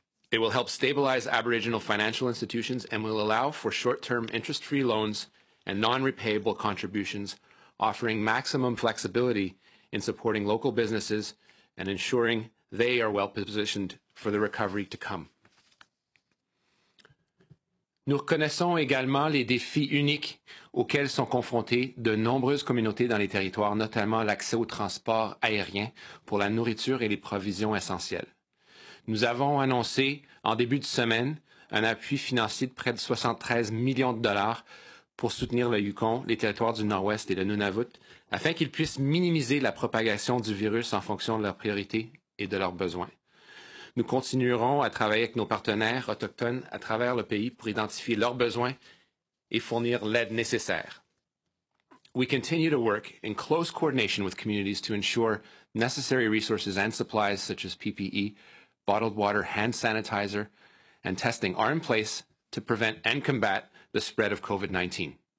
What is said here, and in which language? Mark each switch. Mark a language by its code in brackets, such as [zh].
[en] It will help stabilize Aboriginal financial institutions and will allow for short-term interest-free loans and non-repayable contributions, offering maximum flexibility in supporting local businesses and ensuring they are well positioned for the recovery to come. [fr] Nous reconnaissons également les défis uniques auxquels sont confrontées de nombreuses communautés dans les territoires, notamment l'accès au transport aérien pour la nourriture et les provisions essentielles. Nous avons annoncé en début de semaine un appui financier de près de 73 millions de dollars pour soutenir le Yukon, les territoires du Nord-Ouest et le Nunavut, afin qu'ils puissent minimiser la propagation du virus en fonction de leurs priorités et de leurs besoins. Nous continuerons à travailler avec nos partenaires autochtones à travers le pays pour identifier leurs besoins et fournir l'aide nécessaire. [en] We continue to work in close coordination with communities to ensure necessary resources and supplies such as PPE, bottled water, hand sanitizer, and testing are in place to prevent and combat the spread of COVID-19.